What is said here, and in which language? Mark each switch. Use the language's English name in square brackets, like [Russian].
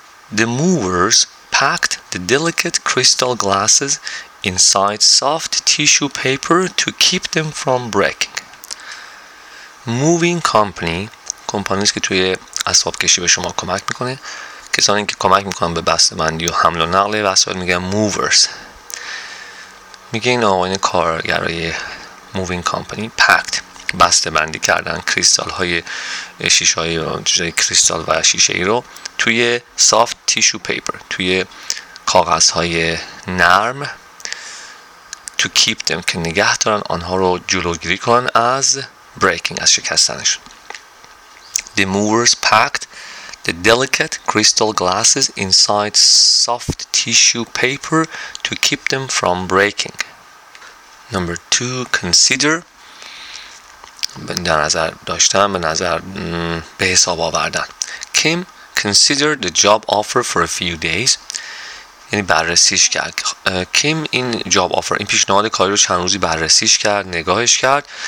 [English] The movers packed the delicate crystal glasses inside soft tissue paper to keep them from breaking. Moving company, [Persian] کمپانیز که توی اسباب کشی به شما کمک میکنه، کسانی که کمک میکنن به بسته‌بندی و حمل و نقل وسایل، میگن movers. میگه این آقایان کارگرای [English] moving company packed، [Persian] بسته‌بندی کردن کریستال های شیشه های چیزای کریستال و شیشه ای رو توی [English] soft tissue paper، [Persian] توی کاغذ های نرم، [English] to keep them، [Persian] که نگه دارن آنها رو جلوگیری کن از [English] breaking، [Persian] از شکستنشون. [English] The movers packed the delicate crystal glasses inside soft tissue paper to keep them from breaking. Number 2, consider، [Persian] در نظر داشتن، به نظر، به حساب آوردن. [English] Kim considered the job offer for a few days، [Persian] یعنی بررسیش کرد. Kim این job offer، این پیشنهاد کاری رو چند روزی بررسیش کرد، نگاهش کرد.